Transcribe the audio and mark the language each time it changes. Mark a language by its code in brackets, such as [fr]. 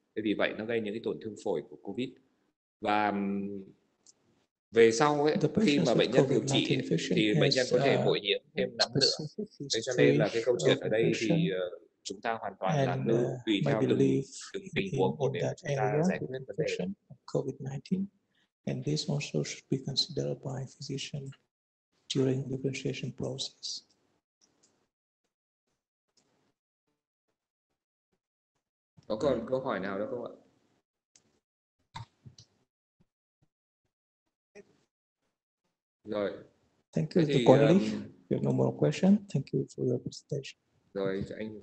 [vi] Thế vì vậy nó gây những cái tổn thương phổi của COVID. Và về sau ấy, khi mà bệnh nhân điều trị thì bệnh nhân có thể bội nhiễm thêm nấm nữa. Thế cho nên là cái câu chuyện ở đây thì chúng ta hoàn toàn là nữ tùy theo từng tình huống của để chúng ta giải quyết vấn đề [en] COVID-19. And this also should be considered by physician during the differentiation process. [vi] Có còn câu hỏi nào nữa không ạ? Rồi. [en] Thank you to Quan Lee. You have no more question. Thank you for your presentation. [vi] Rồi, anh